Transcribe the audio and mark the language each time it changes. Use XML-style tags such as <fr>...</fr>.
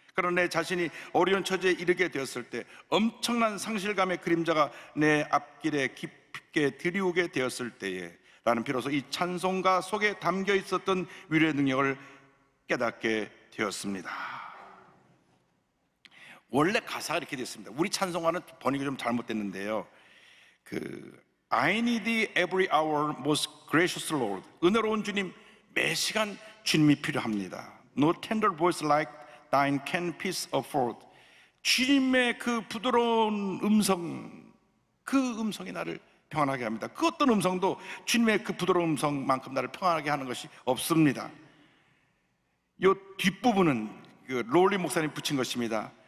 <ko>그러나 내 자신이 어려운 처지에 이르게 되었을 때 엄청난 상실감의 그림자가 내 앞길에 깊게 드리우게 되었을 때에 나는 비로소 이 찬송가 속에 담겨 있었던 위로의 능력을 깨닫게 되었습니다. 원래 가사가 이렇게 됐습니다. 우리 찬송가는 번역이 좀 잘못됐는데요.</ko> <en>그 I need thee every hour, most gracious Lord.</en> <ko>은혜로운 주님, 매 시간 주님이 필요합니다.</ko> <en>No tender voice like thine can peace afford.</en> <ko>주님의 그 부드러운 음성, 그 음성이 나를 평안하게 합니다. 그 어떤 음성도 주님의 그 부드러운 음성만큼 나를 평안하게 하는 것이 없습니다. 요 뒷부분은 그 롤리 목사님이 붙인 것입니다.</ko>